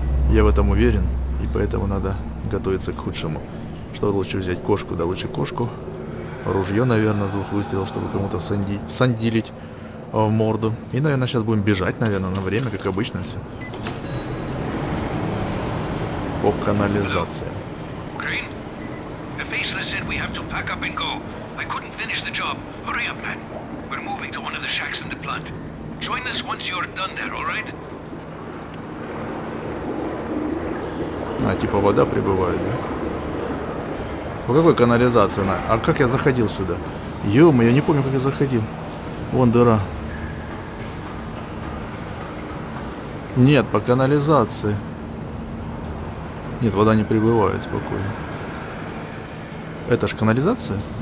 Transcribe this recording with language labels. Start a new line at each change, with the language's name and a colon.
Russian: Я в этом уверен. И поэтому надо готовиться к худшему. Что лучше взять? Кошку? Да лучше кошку. Ружье, наверное, с двух выстрелов, чтобы кому-то сандилить в морду. И, наверное, сейчас будем бежать, наверное, на время, как обычно все. По канализации.
English: Грин, the faceless said we have to pack up and go. I couldn't finish the job. Hurry up, man. We're moving to one of the shacks in the plant. Join us once you're done there, all right?
Russian: А, типа вода прибывает, да? По какой канализации она? А как я заходил сюда? Ё-моё, я не помню, как я заходил. Вон дыра. Нет, по канализации. Нет, вода не прибывает спокойно. Это ж канализация?